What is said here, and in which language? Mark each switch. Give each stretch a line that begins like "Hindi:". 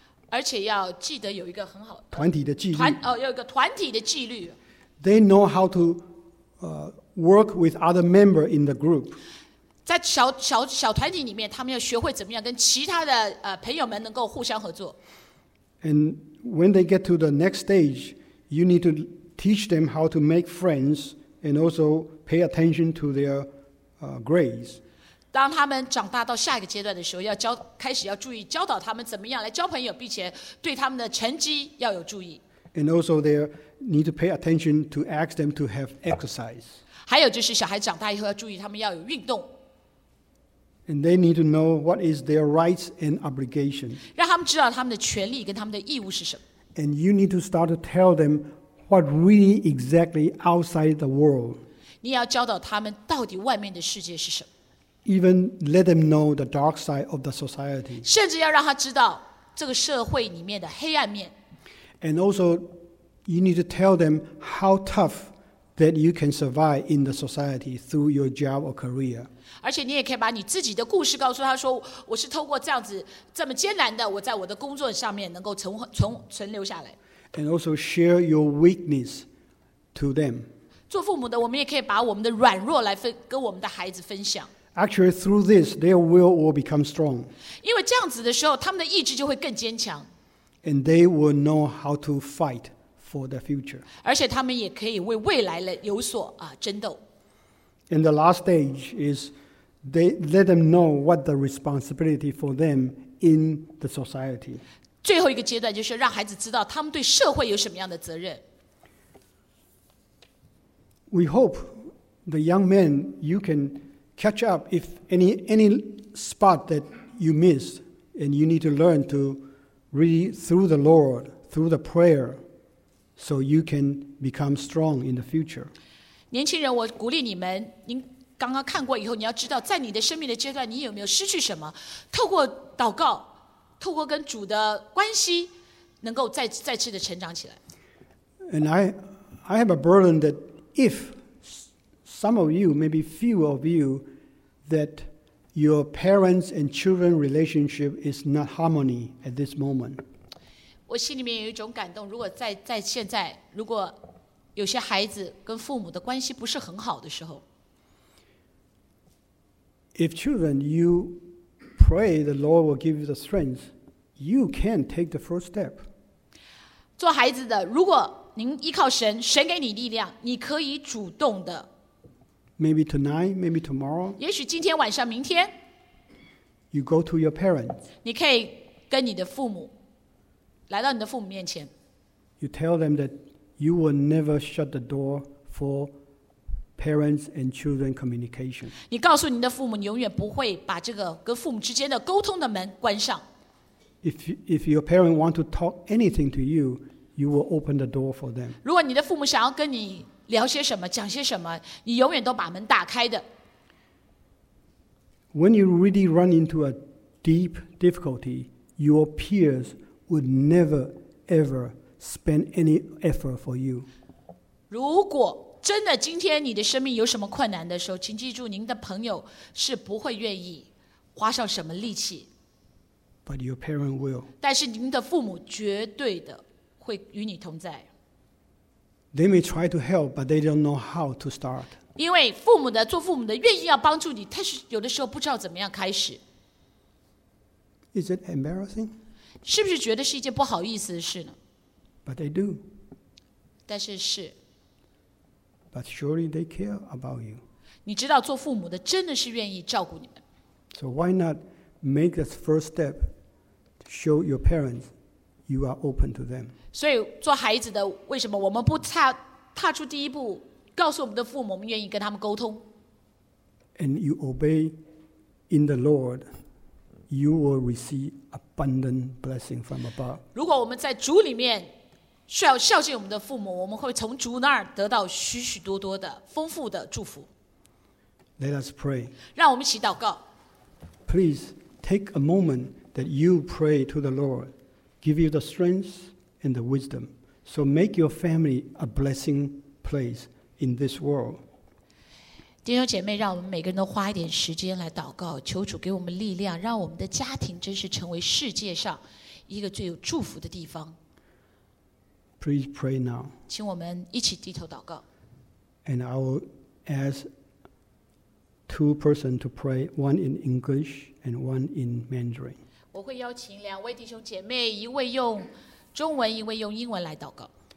Chinese: 而且要记得有一个很好团体的纪律。有一个团体的纪律。
English: They know how to work with other members in the group.
Chinese: 在小团体里面，他们要学会怎么样跟其他的朋友们能够互相合作。
English: And when they get to the next stage, you need to teach them how to make friends and also pay attention to their grades.
Chinese: 当他们长大到下一个阶段的时候，要注意教导他们怎么样来交朋友，并且对他们的成绩要有注意。
English: And also they need to pay attention to ask them to have exercise.
Chinese: 还有就是小孩长大以后要注意他们要有运动。
English: And they need to know what is their rights and obligation.
Chinese: 让他们知道他们的权利跟他们的义务是什么。
English: And you need to start to tell them what really exactly outside the world.
Chinese: 你要教导他们到底外面的世界是什么。
English: Even let them know the dark side of the society.
Chinese: 甚至要让他知道这个社会里面的黑暗面。
English: And also you need to tell them how toughthat you can survive in the society through your job or career.
Chinese: 而且你也可以把你自己的故事告诉他说，我是透过这样子这么艰难的，我在我的工作上面能够存留下来。
English: And also share your weakness to them.
Chinese: 做父母的，我们也可以把我们的软弱来跟我们的孩子分享。
English: Actually, through this, their will become strong.
Chinese: 因为这样子的时候，他们的意志就会更坚强。
English: And they will know how to fight. For the future.
Chinese: 而且他们也可以为未来有所争斗。
English: And the last stage is they let them know what the responsibility for them in the society. 最后一个阶段就是让孩子知道他们对社会有什么样的责任。 We hope the young men, you can catch up if any spot that you miss And you need to learn to read through the Lord, through the prayer, so you can become strong in the future.
Chinese: 年轻人，我鼓励你们，您刚刚看过以后，你要知道，在你的生命的阶段，你有没有失去什么？透过祷告，透过跟主的关系，能够再次的成长起来。
English: And I have a burden that if some of you, maybe few of you, that your parents and children relationship is not harmony at this moment.
Chinese: 我心里面有一种感动，如果在现在，如果有些孩子跟父母的关系不是很好的时候，
English: If children, you pray the Lord will give you the strength, you can take the first step.
Chinese: 做孩子的，如果您依靠神，神给你力量，你可以主动的。
English: Maybe tonight, maybe tomorrow.
Chinese: 也许今天晚上，明天。
English: You go to your parents.
Chinese: 你可以跟你的父母，来到你的父母面前。
English: You tell them that you will never shut the door for parents and children communication.
Chinese: 你告诉你的父母，你永远不会把这个跟父母之间的沟通的门关上。
English: If your parents want to talk anything to you, you will open the door for them.
Chinese: 如果你的父母想要跟你聊些什么，讲些什么，你永远都把门打开的。
English: When you really run into a deep difficulty, your peers would never ever spend any effort for you.
Chinese: 如果真的今天你的生命有什么困难的时候，请记住，您的朋友是不会愿意花上什么力气。
English: But your parents will.
Chinese: 但是您的父母绝对的会与你同在。
English: They may try to help, but they don't know how to start.
Chinese: 因为父母的做父母的愿意要帮助你，但是有的时候不知道怎么样开始。
English: Is it embarrassing?
Chinese: 是不是觉得是一件不好意思的事呢？
English: But they do.
Chinese: 但是是。
English: But surely they care about you.
Chinese: 你知道做父母的真的是愿意照顾你们。
English: So why not make this first step to show your parents you are open to them?
Chinese: 所以做孩子的，为什么我们不踏出第一步，告诉我们的父母，我们愿意跟他们沟通？
English: And you obey in the Lord, you will receive abundant blessing from above.
Chinese: 如果我们在主里面孝敬我们的父母，我们会从主那儿得到许许多多的丰富的祝福。
English: Let us pray.
Chinese: 让我们一起祷告。
English: Please take a moment that you pray to the Lord, give you the strength and the wisdom. So make your family a blessing place in this world.
Chinese: 弟兄姐妹，让我们每个人都花一点时间来祷告，求主给我们力量，让我们的家庭真是成为世界上一个最有祝福的地方。
English: Please pray now.
Chinese: 请我们一起低头祷告。
English: And I will ask two persons to pray, one in English and one in Mandarin.
Chinese: 我会邀请两位弟兄姐妹，一位用中文，一位用英文来祷告。